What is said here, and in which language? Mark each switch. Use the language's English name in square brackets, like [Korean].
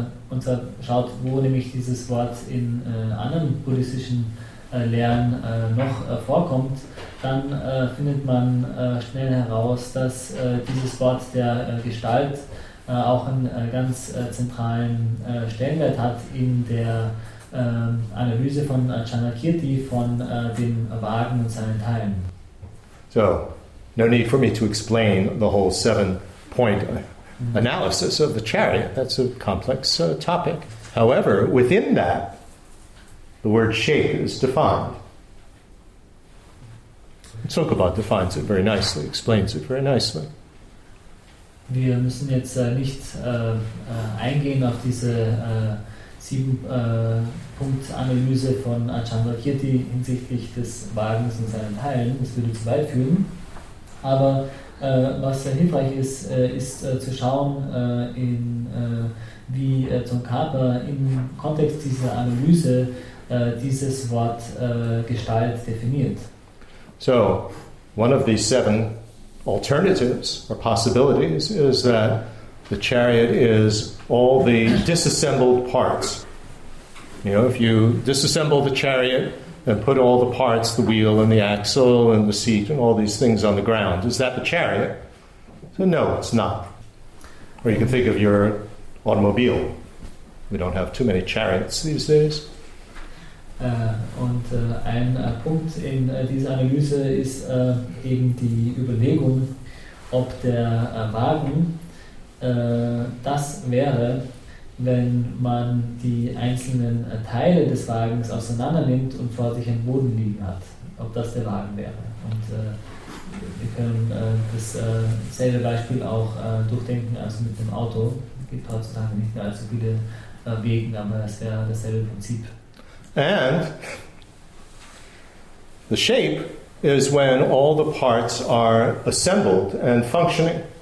[German] und schaut, wo nämlich dieses Wort in anderen buddhistischen Lehren noch vorkommt, dann findet man schnell heraus, dass dieses Wort der Gestalt auch einen ganz zentralen Stellenwert hat in der Analyse von Chandrakirti von dem Wagen und seinen Teilen. [English] So, no need for me to explain the whole 7-point analysis of the chariot. That's a complex topic. However, within that, the word shape is defined. Tsongkhapa defines it very nicely, explains it very nicely. [German] Wir müssen jetzt nicht eingehen auf diese 7-Punkt-Analyse von Chandrakirti hinsichtlich des Wagens und seinen Teilen. Das würde zu weit führen. Aber was sehr hilfreich ist, ist zu schauen, wie Tsongkhapa im Kontext dieser Analyse dieses Wort Gestalt definiert. [English] So, one of these 7 alternatives or possibilities is that the chariot is all the disassembled parts. You know, if you disassemble the chariot and put all the parts, the wheel and the axle and the seat and all these things on the ground, is that the chariot? So, no, it's not. Or you can think of your automobile. We don't have too many chariots these days. [German] Und ein Punkt in dieser Analyse ist eben die Überlegung, ob der Wagen das wäre, wenn man die einzelnen Teile des Wagens auseinandernimmt und vor sich einen Boden liegen hat, ob das der Wagen wäre. Und wir können das selbe Beispiel auch durchdenken, also mit dem Auto. Es gibt heutzutage nicht mehr allzu viele Wegen, aber es wäre dasselbe Prinzip. [English] And the shape is when all the parts are assembled and functioning.